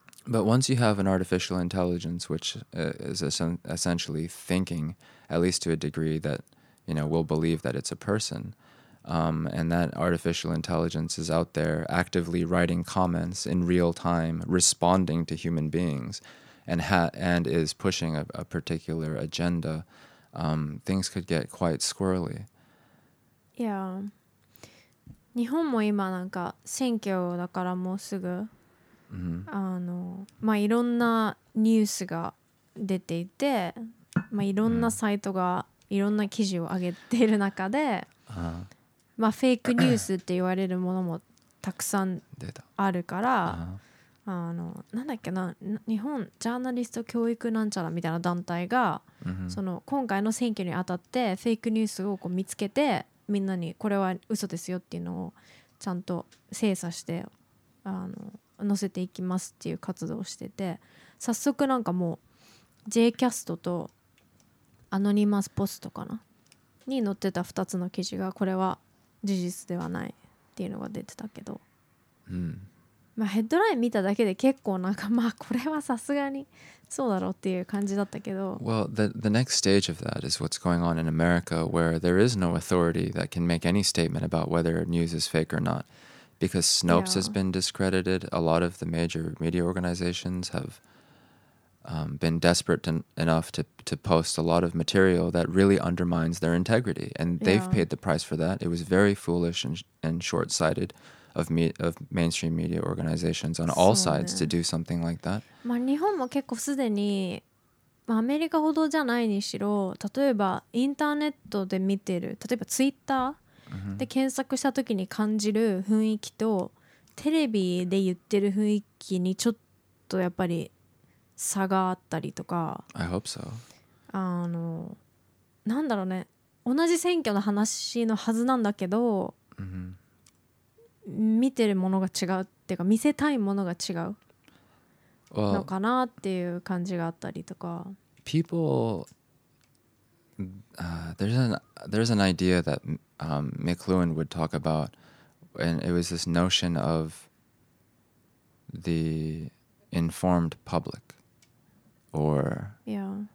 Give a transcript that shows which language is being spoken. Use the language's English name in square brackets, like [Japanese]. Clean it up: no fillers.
[English] But once you have an artificial intelligence, which is essentially thinking, at least to a degree that, you know, we'll believe that it's a person, and that artificial intelligence is out there actively writing comments in real time, responding to human beings, and is pushing a particular agenda, things could get quite squirrely. Yeah. [Japanese] 日本も今なんか選挙だからもうすぐ、まあいろんなニュースが出ていて、まあいろんなサイトがいろんな記事を上げている中で、まあ、フェイクニュースって言われるものもたくさんあるから、なんだっけな、日本ジャーナリスト教育なんちゃらみたいな団体が、その今回の選挙にあたってフェイクニュースをこう見つけて、みんなにこれは嘘ですよっていうのをちゃんと精査して載せていきますっていう活動をしてて、早速なんかもう J キャストとアノニマスポストかなに載ってた2つの記事がこれは事実ではないっていうのが出てたけど、まあヘッドライン見ただけで結構なんかまあこれはさすがにそうだろうっていう感じだったけど、 [English] Well, the next stage of that is what's going on in America, where there is no authority that can make any statement about whether news is fake or not, because Snopes has been discredited. A lot of the major media organizations have been desperate enough to post a lot of material that really undermines their integrity. And they've paid the price for that. It was very foolish and short-sighted of mainstream media organizations on all sides to do something like that. [Japanese] まあ日本も結構すでに、まあ、アメリカほどじゃないにしろ、例えばインターネットで見てる、例えばツイッターで検索したときに感じる雰囲気とテレビで言ってる雰囲気にちょっとやっぱり差があったりとか。 [English] I hope so. [Japanese] あの、なんだろうね、同じ選挙の話のはずなんだけど、 mm-hmm. 見てるものが違うっていうか見せたいものが違うのかなっていう感じがあったりとか。 [English] Well, people, there's an idea that McLuhan would talk about, and it was this notion of the informed public, or yeah.